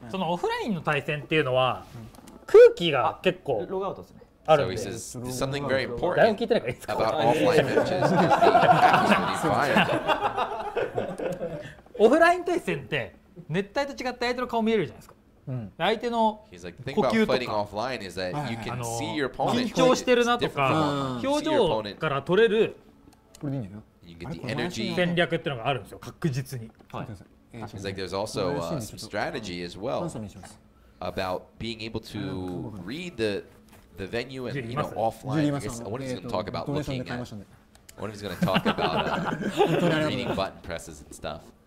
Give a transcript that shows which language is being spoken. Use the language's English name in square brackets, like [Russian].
[Japanese] そのオフラインの対戦っていうのは空気が結構あるんで。 [English] So he says something very important about offline matches. [Japanese] オフライン対戦って熱帯と違って相手の顔見えるじゃないですか。うん、相手の呼吸とか、 like, はいはい、緊張してるなとか、表情から取れる戦略っていうのがあるんですよ、確実に。 [English] He's like, there's also a strategy as well about being able to read the venue and, you know, offline. What he's going to talk about looking at. What he's going to talk about reading button presses and stuff.